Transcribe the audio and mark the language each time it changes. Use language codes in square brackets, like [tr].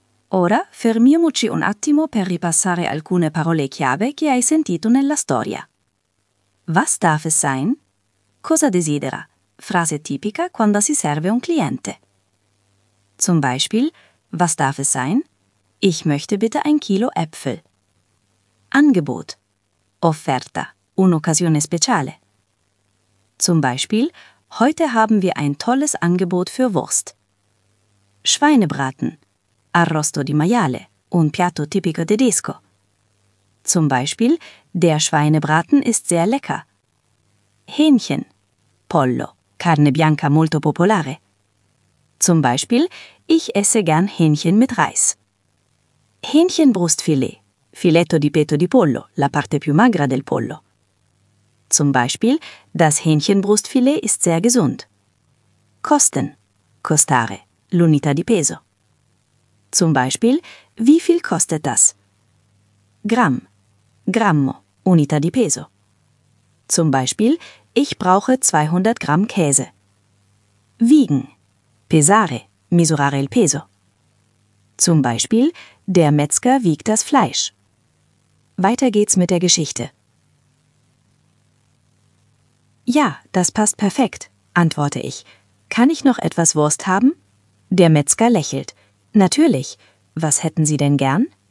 [it] Ora fermiamoci un attimo per ripassare alcune parole chiave che hai sentito nella storia. [de] Was darf es sein? [it] Cosa desidera? Frase tipica quando si serve un cliente. [de] Zum Beispiel, was darf es sein? Ich möchte bitte ein Kilo Äpfel. Angebot. Offerta. [it] Un'occasione speciale. [de] Zum Beispiel, heute haben wir ein tolles Angebot für Wurst. Schweinebraten. [it] Arrosto di maiale, un piatto tipico tedesco. [de] Zum Beispiel, der Schweinebraten ist sehr lecker. [it] Hähnchen, pollo, carne bianca molto popolare. [de] Zum Beispiel, ich esse gern Hähnchen mit Reis. [it] Hähnchenbrustfilet, filetto di petto di pollo, la parte più magra del pollo. [de] Zum Beispiel, das Hähnchenbrustfilet ist sehr gesund. [it] Kosten, costare, l'unità di peso. [de] Zum Beispiel, wie viel kostet das? [it] Gramm, grammo, unità di peso. [de] Zum Beispiel, ich brauche 200 Gramm Käse. [it] Wiegen, pesare, misurare il peso. [de] Zum Beispiel, der Metzger wiegt das Fleisch. Weiter geht's mit der Geschichte. Ja, das passt perfekt, antworte ich. Kann ich noch etwas Wurst haben? Der Metzger lächelt. Natürlich. Was hätten Sie denn gern?